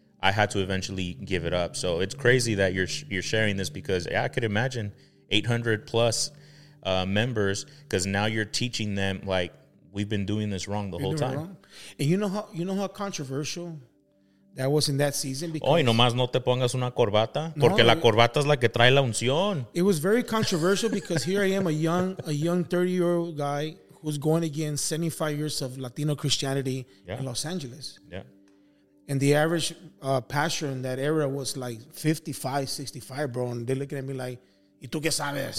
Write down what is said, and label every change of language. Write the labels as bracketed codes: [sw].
[en] I had to eventually give it up. So it's crazy that you're sharing this, because yeah, I could imagine 800 plus members, because now you're teaching them, like, we've been doing this wrong the whole time. And you know how controversial that was in that season? [es] Oy, nomás no te pongas una corbata, porque la corbata es la que trae la unción. [en] It was very controversial because here I am, a young 30-year-old guy who's going against 75 years of Latino Christianity in Los Angeles. Yeah. And the average pastor in that era was like 55, 65, bro. And they're looking at me like, [es] ¿y tú qué sabes?